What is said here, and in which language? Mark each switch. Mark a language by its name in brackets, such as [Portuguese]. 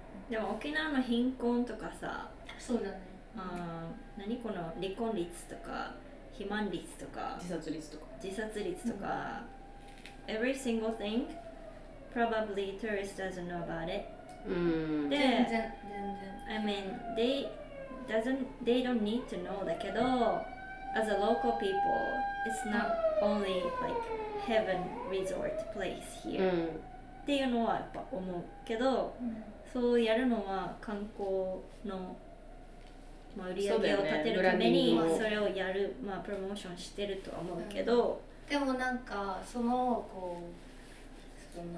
[Japanese] でも沖縄の貧困とかさ、そうだね。何この離婚率とか肥満率とか自殺率とか自殺率とか、 [English] every single thingProbably tourists doesn't know about it. I mean, they don't need to know. [Japanese] だけど [English] as a local people, it's not only like heaven resort place here. [Japanese] っていうのはやっぱ思うけど、そうやるのは観光の売り上げを立てるためにそれをやる、まあプロモーションしてるとは思うけど。でもなんかそのこうそんなの。